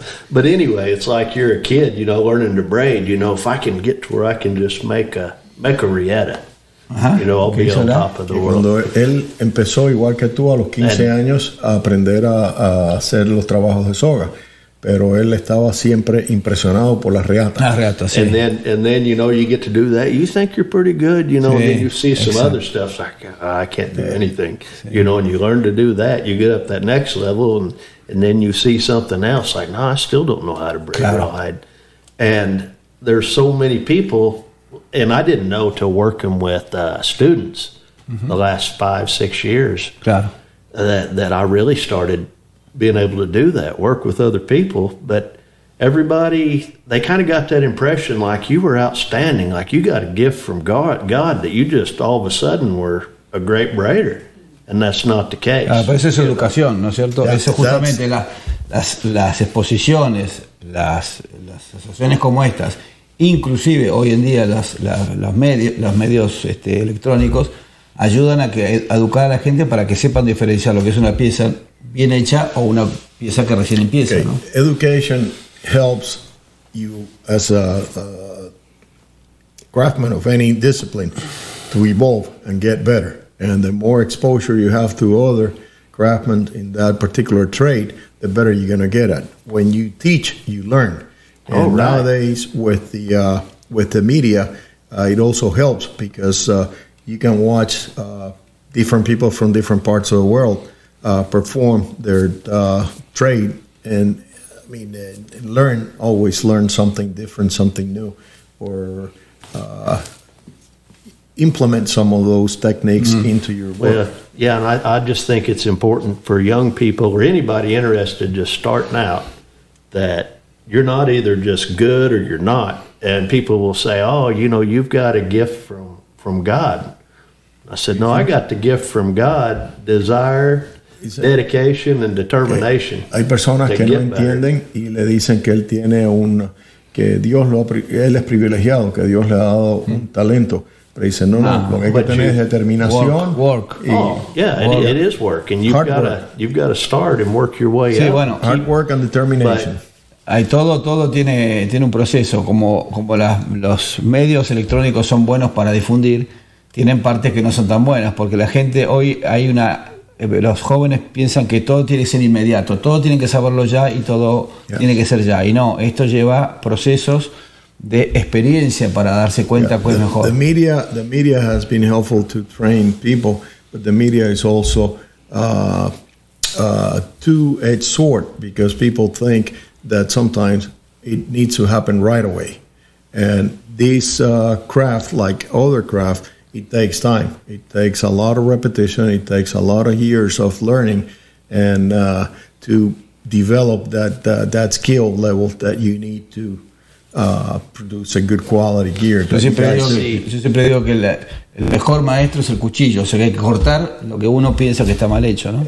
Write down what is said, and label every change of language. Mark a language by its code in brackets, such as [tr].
[en] But anyway, it's like you're a kid, you know, learning to braid. You know, if I can get to where I can just make a rieta. You know, I'll be on top of the world. [es] Cuando él empezó, igual que tú, a los 15 años, a aprender a hacer los trabajos de soga. Pero él estaba siempre impresionado por las reatas. Las reatas, sí. [en] And then, you know, you get to do that. You think you're pretty good, you know. Sí, and then you see some other stuff. Like, I can't do anything. Sí. You know, and you learn to do that. You get up that next level, and then you see something else. Like, no, I still don't know how to braid. [es] Claro. [en] Ride. And there's so many people, and I didn't know till working with students the last 5-6 years that I really started being able to do that, work with other people. But everybody, they kind of got that impression like you were outstanding, like you got a gift from God that you just all of a sudden were a great braider. And that's not the case. [es] Claro, pero esa es educación, ¿no es cierto? Yeah, eso justamente, las exposiciones, las asociaciones como estas, inclusive hoy en día los medios electrónicos, ayudan a educar a la gente para que sepan diferenciar lo que es una pieza bien hecha o una pieza que recién empieza. [en] Okay. ¿No? Education helps you as a craftsman of any discipline to evolve and get better. And the more exposure you have to other craftsmen in that particular trade, the better you're going to get at. When you teach, you learn. And nowadays, with the media, it also helps because you can watch different people from different parts of the world perform their trade. And, I mean, always learn something different, something new, or implement some of those techniques into your work. And I just think it's important for young people or anybody interested just starting out that you're not either just good or you're not. And people will say, oh, you know, you've got a gift from God. I said, no, I got the gift from God, desire, dedication, and determination. [es] Hay personas que no entienden y le dicen que él tiene él es privilegiado, que Dios le ha dado un talento. Pero dice, no, lo que hay que tener es determinación. [en] It is work. And you've got to start and work your way out. Bueno, hard work and determination. [es] Todo tiene un proceso. Como los medios electrónicos son buenos para difundir, tienen partes que no son tan buenas. Porque la gente, hoy hay una... Los jóvenes piensan que todo tiene que ser inmediato. Todo tienen que saberlo ya y todo tiene que ser ya. Y no, esto lleva procesos de experiencia para darse cuenta cuál es mejor. [en] The media has been helpful to train people, but the media is also a two-edged sword because people think that sometimes it needs to happen right away. And this craft, like other craft, it takes time. It takes a lot of repetition. It takes a lot of years of learning and to develop that skill level that you need to produce a good quality gear. [es] Yo siempre digo que el mejor maestro es el cuchillo, o sea, que hay que cortar lo que uno piensa que está mal hecho, ¿no?